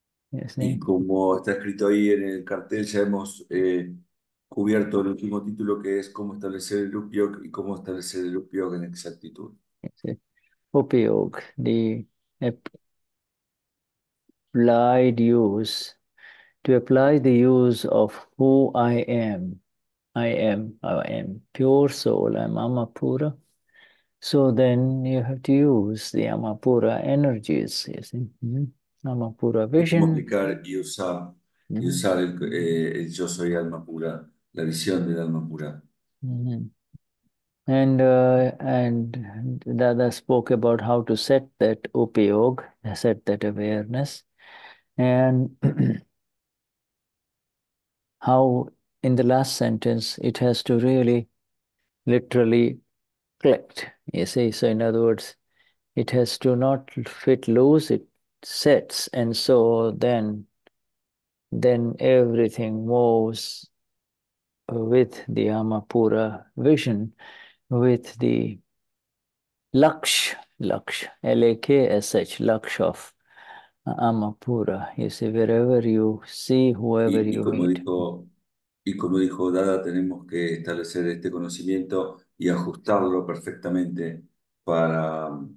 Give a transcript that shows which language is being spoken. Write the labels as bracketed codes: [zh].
[es] Y como está escrito ahí en el cartel, ya hemos cubierto el último título, que es cómo establecer el upyog y cómo establecer el upyog en exactitud. [en] Upyog, the applied use, to apply the use of who I am. I am pure soul, I'm Amapura. So then you have to use the Amapura energies, you see. Mm-hmm. Alma pura vision. [es] ¿Cómo aplicar y usar, y usar el yo soy alma pura, la visión del alma pura? [en] And Dada spoke about how to set that upyog, set that awareness, and how in the last sentence it has to really literally click, you see. So in other words, it has to not fit loose, it sets, and so then everything moves with the Amapura vision, with the laksh, L-A-K-S-H, laksh of Amapura. You see, wherever you see, whoever [es] y [en] you [es] como [en] meet. [es] Dijo, y como dijo Dada, tenemos que establecer este conocimiento y ajustarlo perfectamente para...